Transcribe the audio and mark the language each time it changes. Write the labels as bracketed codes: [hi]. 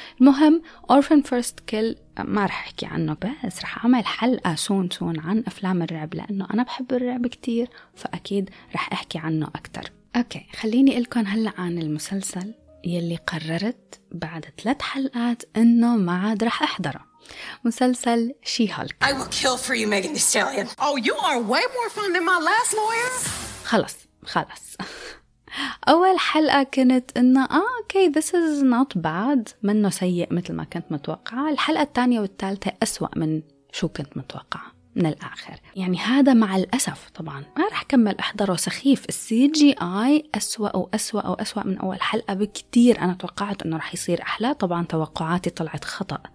[ar] المهم Orphan First Kill ما رح أحكي عنه، بس رح أعمل حلقة سون عن أفلام الرعب لأنه أنا بحب الرعب كتير، فأكيد رح أحكي عنه أكتر. أوكي خليني إلكن هلأ عن المسلسل يلي قررت بعد 3 حلقات إنه ما عاد رح أحضره، مسلسل شي هالك. [en] I will kill for you, Megan Thee Stallion. Oh, you are way more fun than my last lawyer. [ar] خلص. أول حلقة كنت إنه [en] okay, this is not bad. [ar] منه سيء مثل ما كنت متوقعة. الحلقة الثانية والثالثة أسوأ من شو كنت متوقعة من الآخر. يعني هذا مع الأسف طبعاً ما رح كمل أحضره، سخيف. CGI أسوأ من أول حلقة بكتير. أنا توقعت إنه رح يصير أحلى، طبعاً توقعاتي طلعت خطأ.